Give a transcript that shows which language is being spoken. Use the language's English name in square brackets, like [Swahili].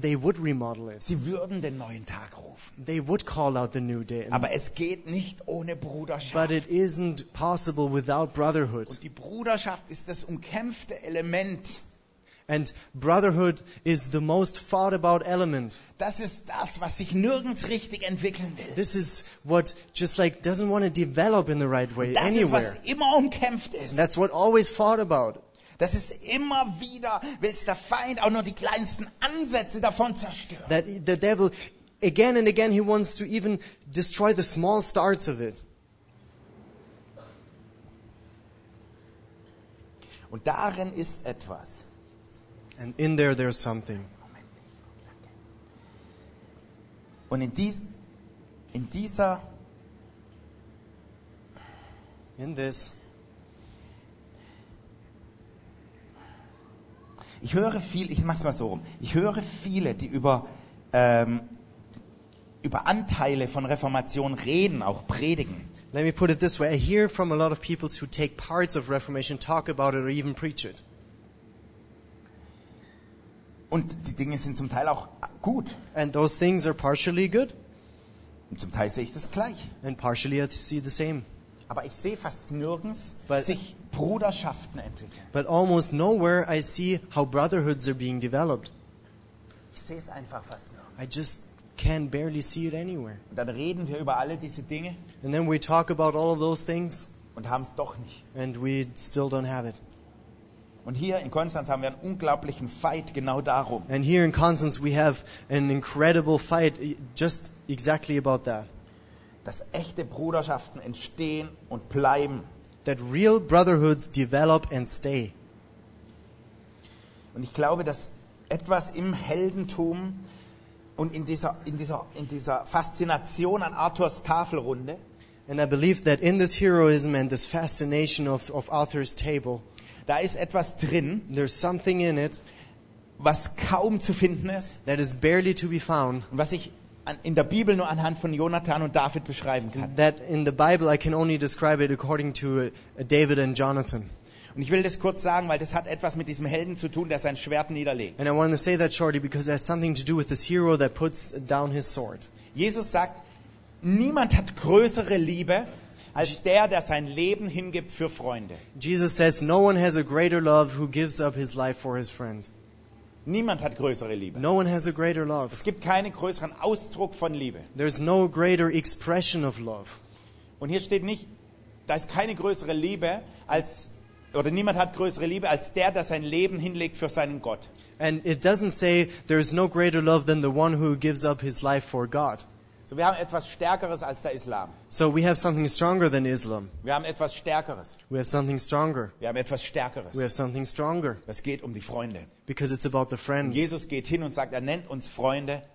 [English] They would remodel it. [German] Sie würden den neuen Tag rufen. [English] They would call out the new day. [German] Aber es geht nicht ohne Bruderschaft. [English] But it isn't possible without brotherhood. [German] Und die Bruderschaft ist das umkämpfte Element. [English] And brotherhood is the most fought about element. [German] Das ist das, was sich nirgends richtig entwickeln will. [English] This is what just like doesn't want to develop in the right way [German] das [English] anywhere. [German] Das ist was immer umkämpft ist. [English] And that's what always fought about. [German] Das ist immer wieder will's der Feind auch nur die kleinsten Ansätze davon zerstören. [English] That the devil again and again he wants to even destroy the small starts of it. [German] Und darin ist etwas. [English] And in there, there's something. [German] Und in dieser, [English] in this, [German] ich höre viel. Ich mach's mal so rum. Ich höre viele, die über Anteile von Reformation reden, auch predigen. [English] Let me put it this way: I hear from a lot of people who take parts of Reformation, talk about it, or even preach it. [German] Und die Dinge sind zum Teil auch gut. [English] And those things are partially good. [German] Und zum Teil sehe ich das gleich. [English] And partially I see the same. [German] Aber ich sehe fast nirgends sich Bruderschaften entwickeln. [English] But almost nowhere I see how brotherhoods are being developed. [German] Ich sehe es einfach fast nirgends. [English] I just can barely see it anywhere. [German] Und dann reden wir über alle diese Dinge. [English] And then we talk about all of those things. [German] Und haben es doch nicht. [English] And we still don't have it. [German] Und hier in Konstanz haben wir einen unglaublichen Fight genau darum. [English] And here in Konstanz we have an incredible fight just exactly about that. [German] Dass echte Bruderschaften entstehen und bleiben. [English] That real brotherhoods develop and stay. [German] Und ich glaube, dass etwas im Heldentum und in dieser Faszination an Arthurs Tafelrunde. [English] And I believe that in this heroism and this fascination of Arthur's table. [German] Da ist etwas drin, [English] there's something in it, [German] was kaum zu finden ist, [English] that is barely to be found, [German] und was ich in der Bibel nur anhand von Jonathan und David beschreiben kann. [English] That in the Bible I can only describe it according to David and Jonathan. [German] Und ich will das kurz sagen, weil das hat etwas mit diesem Helden zu tun, der sein Schwert niederlegt. [English] And I want to say that shortly because it has something to do with this hero that puts down his sword. [German] Jesus sagt, niemand hat größere Liebe als der, der sein Leben hingibt für Freunde. [English] Jesus says, no one has a greater love who gives up his life for his friends. [German] Niemand hat größere Liebe. [English] No one has a greater love. [German] Es gibt keinen größeren Ausdruck von Liebe. [English] There's no greater expression of love. [German] Und hier steht nicht, da ist keine größere Liebe als, oder niemand hat größere Liebe als der, der sein Leben hinlegt für seinen Gott. [English] And it doesn't say, there's no greater love than the one who gives up his life for God. [German] So wir haben etwas Stärkeres als der Islam. [English] So we have something stronger than Islam. [German] Wir haben etwas Stärkeres. [English] We have something stronger. [German] Wir haben etwas Stärkeres. [English] We have something stronger. [German] Es geht um die Freunde. [English] Because it's about the friends. [German] Und Jesus geht hin und sagt, nennt uns Freunde.